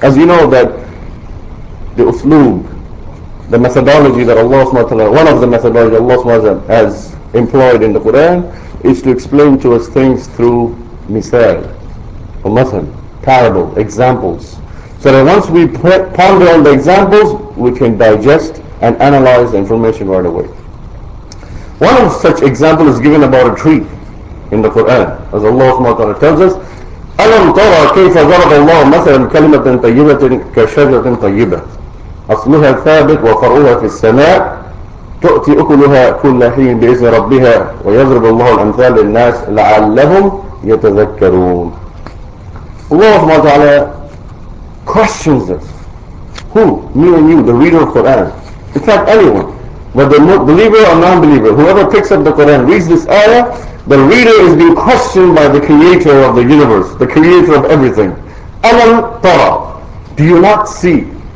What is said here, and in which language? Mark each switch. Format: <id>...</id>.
<en>As you know that the uslub, the methodology that Allah subhanahu wa ta'ala, one of the methodology Allah subhanahu wa ta'ala has employed in the Quran, is to explain to us things through misal, or mathal, parable, examples. So that once we ponder on the examples, we can digest and analyze the information right away. One of such examples is given about a tree in the Quran, as Allah subhanahu wa ta'ala tells us,</en> <ar>أَلَمْ تَرَى كَيْفَ ضَرَبَ اللَّهُ مَثَلًا كَلِمَةً طَيِّبَةً كَشَجَرَةٍ طَيِّبَةً أَصْلُهَا ثَابِتْ وَفَرْعُهَا فِي السَّمَاءِ تُؤْتِي أُكُلُهَا كُلَّ حِينٍ بِإِذْنِ رَبِّهَا وَيَضْرِبُ اللَّهُ الْأَمْثَالَ لِلنَّاسِ لَعَلَّهُمْ يَتَذَكَّرُونَ.</ar> <en>Allah subhanahu wa ta'ala questions us. Who? Me and you, the reader of Quran. In fact, anyone, whether believer or non-believer, whoever picks up the Quran, reads this ayah, the reader is being questioned by the creator of the universe, the creator of everything.</en> <ar>أَلَمْ تَرَى.</ar> <en>Do you not see?</en>